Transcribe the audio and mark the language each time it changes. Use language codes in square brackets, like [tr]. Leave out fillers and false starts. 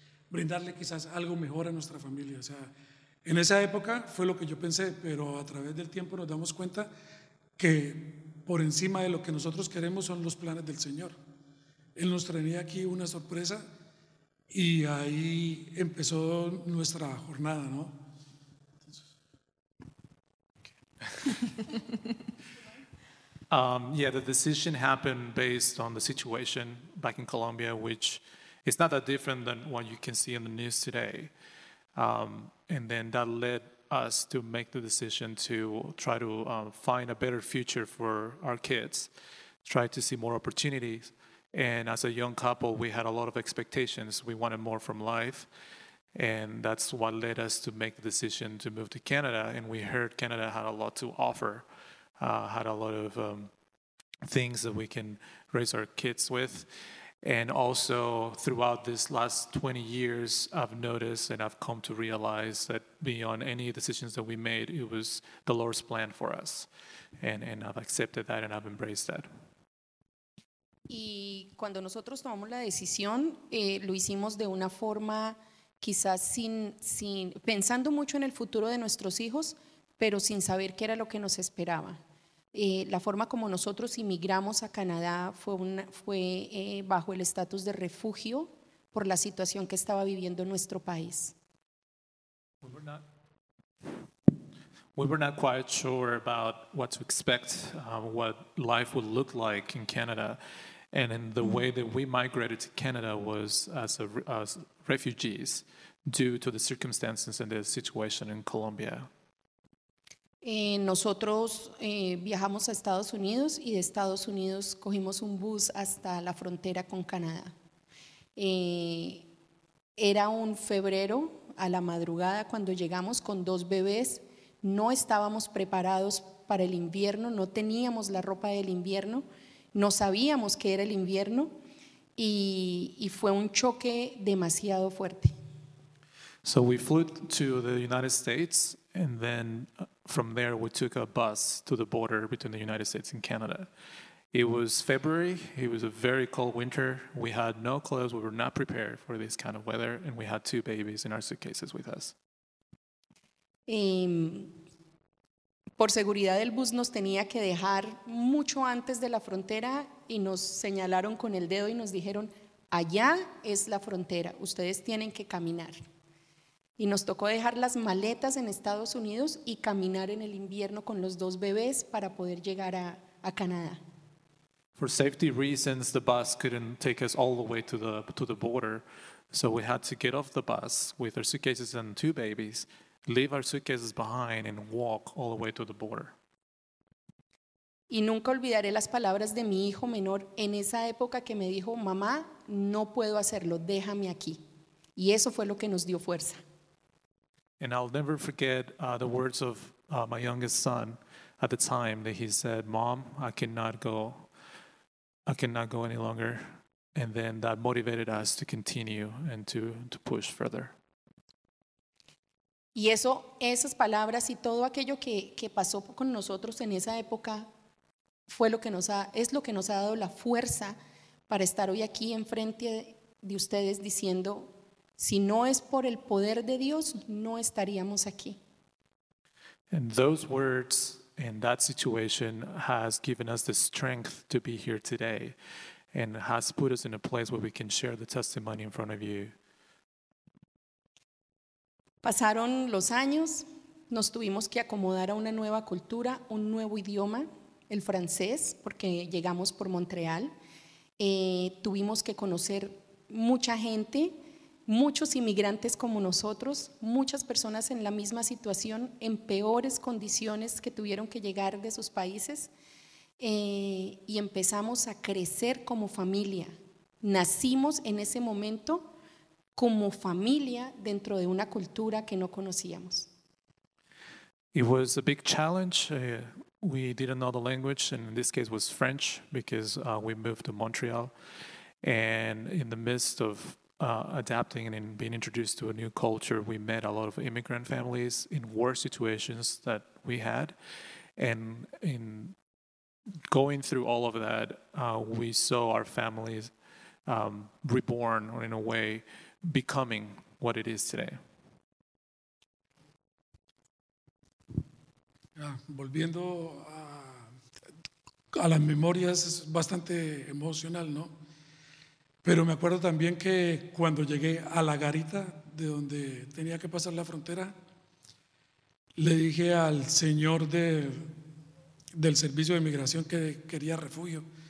[es] brindarle quizás algo mejor a nuestra familia. O sea, en esa época fue lo que yo pensé, pero a través del tiempo nos damos cuenta que por encima de lo que nosotros queremos son los planes del Señor. Él nos traía aquí una sorpresa y ahí empezó nuestra jornada, ¿no? [en] Yeah, the decision happened based on the situation back in Colombia, which is not that different than what you can see in the news today. And then that led us to make the decision to try to find a better future for our kids, try to see more opportunities. And as a young couple, we had a lot of expectations. We wanted more from life. And that's what led us to make the decision to move to Canada. And we heard Canada had a lot to offer, had a lot of things that we can raise our kids with. And also throughout this last 20 years, I've noticed and I've come to realize that beyond any decisions that we made, it was the Lord's plan for us. And I've accepted that and I've embraced that. [es] Y cuando nosotros tomamos la decisión, lo hicimos de una forma quizás sin pensando mucho en el futuro de nuestros hijos, pero sin saber qué era lo que nos esperaba. La forma como nosotros inmigramos a Canadá fue bajo el estatus de refugio por la situación que estaba viviendo en nuestro país. [en] We were not quite sure about what to expect, what life would look like in Canada. And in the way that we migrated to Canada was as refugees due to the circumstances and the situation in Colombia. [es] Nosotros viajamos a Estados Unidos y de Estados Unidos cogimos un bus hasta la frontera con Canadá. Era un febrero a la madrugada cuando llegamos con dos bebés. No estábamos preparados para el invierno, no teníamos la ropa del invierno. No sabíamos que era el invierno y fue un choque demasiado fuerte. [en] So we flew to the United States and then from there we took a bus to the border between the United States and Canada. It was February, it was a very cold winter. We had no clothes, we were not prepared for this kind of weather and we had two babies in our suitcases with us. [es] Por seguridad, el bus nos tenía que dejar mucho antes de la frontera y nos señalaron con el dedo y nos dijeron, allá es la frontera, ustedes tienen que caminar. Y nos tocó dejar las maletas en Estados Unidos y caminar en el invierno con los dos bebés para poder llegar a Canadá. [en] For safety reasons, the bus couldn't take us all the way to the border, so we had to get off the bus with our suitcases and two babies, leave our suitcases behind and walk all the way to the border. [es] Y nunca olvidaré las palabras de mi hijo menor en esa época que me dijo, mamá, no puedo hacerlo, déjame aquí. Y eso fue lo que nos dio fuerza. [en] And I'll never forget the words of my youngest son at the time that he said, mom, I cannot go any longer. And then that motivated us to continue and to push further. [es] Y eso, esas palabras y todo aquello que pasó con nosotros en esa época es lo que nos ha dado la fuerza para estar hoy aquí enfrente de ustedes diciendo, si no es por el poder de Dios, no estaríamos aquí. [en] And those words and that situation has given us the strength to be here today and has put us in a place where we can share the testimony in front of you. [es] Pasaron los años, nos tuvimos que acomodar a una nueva cultura, un nuevo idioma, el francés, porque llegamos por Montreal. Tuvimos que conocer mucha gente, muchos inmigrantes como nosotros, muchas personas en la misma situación, en peores condiciones que tuvieron que llegar de sus países, y empezamos a crecer como familia. Nacimos en ese momento como familia dentro de una cultura que no conocíamos. [en] It was a big challenge. We didn't know the language, and in this case was French, because we moved to Montreal. And in the midst of adapting and in being introduced to a new culture, we met a lot of immigrant families in worse situations that we had. And in going through all of that, we saw our families reborn, or in a way, becoming what it is today. [es] Ah, volviendo a las memorias, es bastante emocional, ¿no? Pero me acuerdo también que cuando llegué a la garita de donde tenía que pasar la frontera, le dije al señor del servicio de migración que quería refugio.